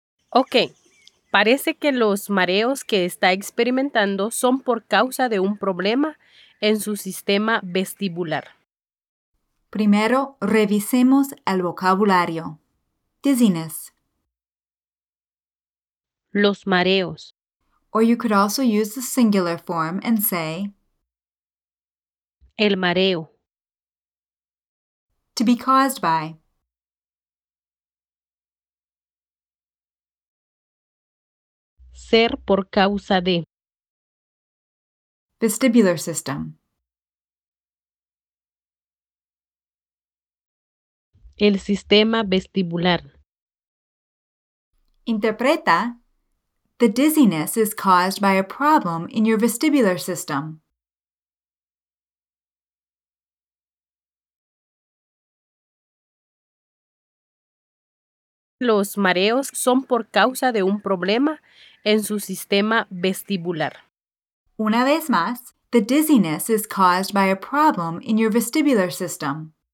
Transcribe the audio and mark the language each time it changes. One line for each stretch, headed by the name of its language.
Spanish: Ok, parece que los mareos que está experimentando son por causa de un problema en su sistema vestibular. Primero, revisemos el vocabulario.
English: Dizziness.
Spanish: Los mareos.
English: Or you could also use the singular form and say,
Spanish: el mareo.
English: To be caused by.
Spanish: Ser por causa de.
English: Vestibular system.
Spanish: El sistema vestibular. Interpreta.
English: The dizziness is caused by a problem in your vestibular system.
Spanish: Los mareos son por causa de un problema en su sistema vestibular. Una vez más,
English: the dizziness is caused by a problem in your vestibular system.